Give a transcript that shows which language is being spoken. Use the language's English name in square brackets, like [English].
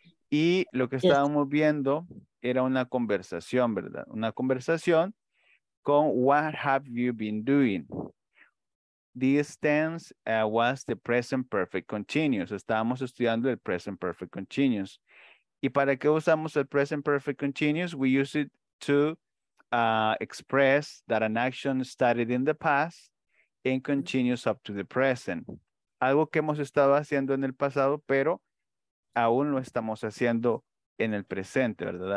[Spanish] Y lo que estábamos viendo era una conversación, ¿verdad? Una conversación con [English] what have you been doing? This tense was the present perfect continuous. [Spanish] Estábamos estudiando el present perfect continuous. ¿Y para qué usamos el present perfect continuous? [English] We use it to express that an action started in the past and continues up to the present. [Spanish] Algo que hemos estado haciendo en el pasado, pero aún lo estamos haciendo en el presente, ¿verdad?